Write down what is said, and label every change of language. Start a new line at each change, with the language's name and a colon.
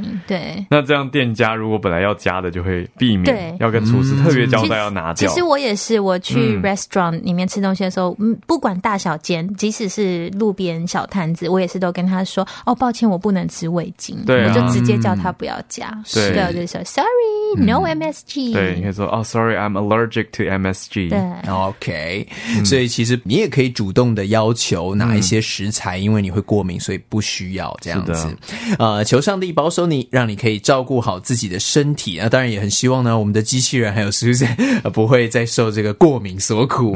Chinese: 对那这样店家如果本来要加的就会避免要跟厨师特别交代要拿掉其实我也是我去 restaurant 里面吃东西的时候不管大小间即使是路边小摊子我也是都跟他说哦，抱歉我不能吃味精对、我就直接叫他不要加对
English: 我就说 sorry no MSG
Chinese: 对你可以说哦
English: sorry I'm allergic to MSG
Chinese: 对 OK 所以其实你也可以主动的要求拿一些食材因为你会过敏所以不需要这样子求上帝保守你让你可以照顾好自己的身体那当然也很希望呢我们的机器人还有 Susan 不会再受这个过敏所苦